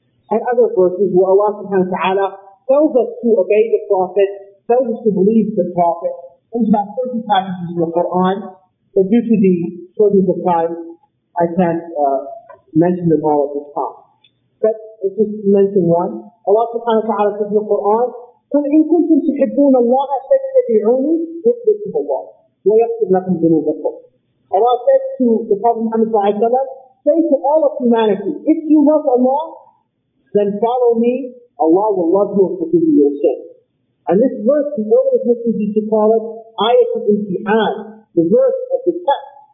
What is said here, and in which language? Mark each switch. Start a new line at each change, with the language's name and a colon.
English: And other verses where Allah subhanahu wa ta'ala tells us to obey the Prophet, tells us to believe the Prophet. There's about 30 passages in the Quran, but due to the shortness of time, I can't mention them all at this time. But let's just mention one. Allah subhanahu wa ta'ala says in the Quran,
Arabic: قُلْ إِن كُنْتُمْ تُحِبُّونَ اللَّهَ فَاتَّبِعُونِي يُحْبِبْكُمْ اللَّهُ وَيَغْفِرْ لَكُمْ ذُنُوبَكُمْ.
English: Allah said to the Prophet Muhammad sallallahu alayhi wa sallam, say to all of humanity, if you love Allah, then follow me, Allah will love you and forgive you your sins. And this verse, the earliest Muslims used to call it Ayat al-Imtihan, the verse of the test.